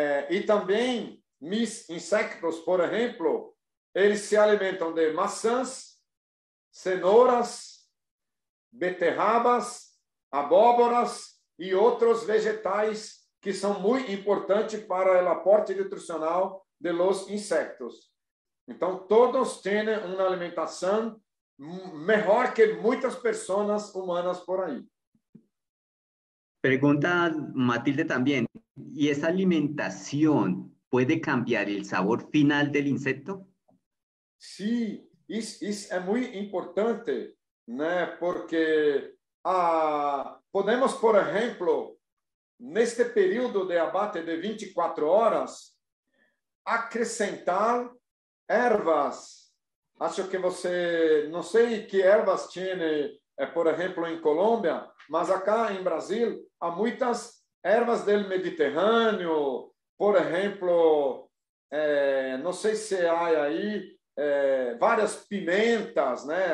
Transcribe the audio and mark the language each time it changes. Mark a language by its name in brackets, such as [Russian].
[Portuguese] E também, [Spanish] mis insectos, [Portuguese] por exemplo, eles se alimentam de maçãs, cenouras, beterrabas, abóboras e outros vegetais que são muito importantes para o aporte nutricional de los insectos. Então, todos têm uma alimentação melhor que muitas pessoas humanas por aí. [Spanish] Pregunta Matilde también, ¿y esa alimentación puede cambiar el sabor final del insecto? Sí, es muy importante, ¿no? Porque podemos, por ejemplo, en este periodo de abate de 24 horas, [Portuguese] acrescentar ervas. Acho que você, [Spanish] no sé qué ervas tiene, por ejemplo, en Colombia, [Portuguese] mas acá en Brasil há muitas ervas del Mediterrâneo, por exemplo, não sei se há aí várias pimentas, né?